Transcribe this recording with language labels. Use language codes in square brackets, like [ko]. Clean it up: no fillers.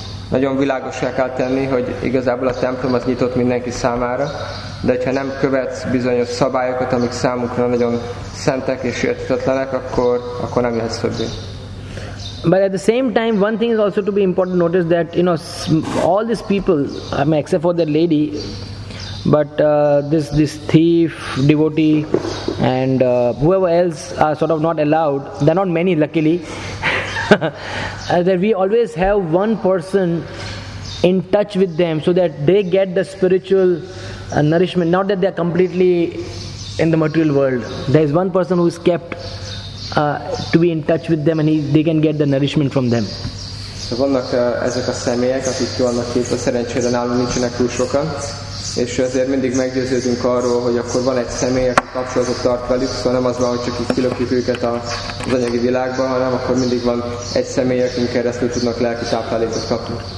[hu] Nagyon világossá kell tenni, hogy igazából a templom az nyitott mindenki számára, de ha nem követsz bizonyos szabályokat, amik számunkra nagyon szentek és értetetlenek, akkor nem jöhetsz többé. [en] But at the same time, one thing is also to be important to notice that, you know, all these people, except for that lady, but this thief, devotee, and whoever else are sort of not allowed, there are not many, luckily, that we always have one person in touch with them so that they get the spiritual nourishment, not that they are completely in the material world. There is one person who is kept to be in touch with them, and they can get the nourishment from them. [hu] vannak ezek a személyek, akik ki vannak képve, szerencsére nálunk nincsenek túl sokan, és azért mindig meggyőződünk arról, hogy akkor van egy személy, aki kapcsolatot tart velük, szóval nem az van, hogy csak így kilökjük őket az anyagi világba, hanem akkor mindig van egy személy, akik keresztül tudnak lelki táplálékot kapni.